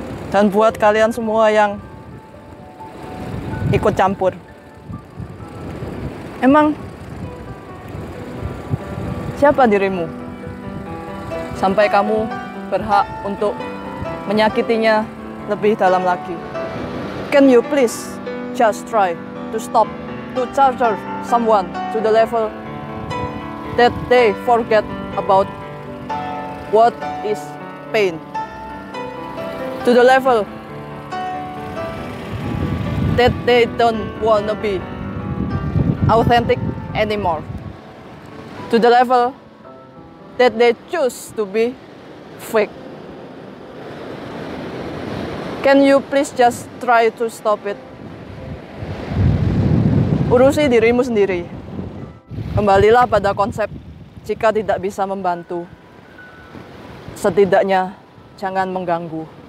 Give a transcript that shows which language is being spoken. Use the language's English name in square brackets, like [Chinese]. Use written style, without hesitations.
[Indonesian] Dan buat kalian semua yang ikut campur, emang siapa dirimu sampai kamu berhak untuk menyakitinya lebih dalam lagi? [English] Can you please just try to stop to charger someone to the level that they forget about what is pain, to the level that they don't wanna be authentic anymore, to the level that they choose to be fake? Can you please just try to stop it? [Indonesian] Urusi dirimu sendiri. Kembalilah pada konsep, jika tidak bisa membantu, setidaknya jangan mengganggu.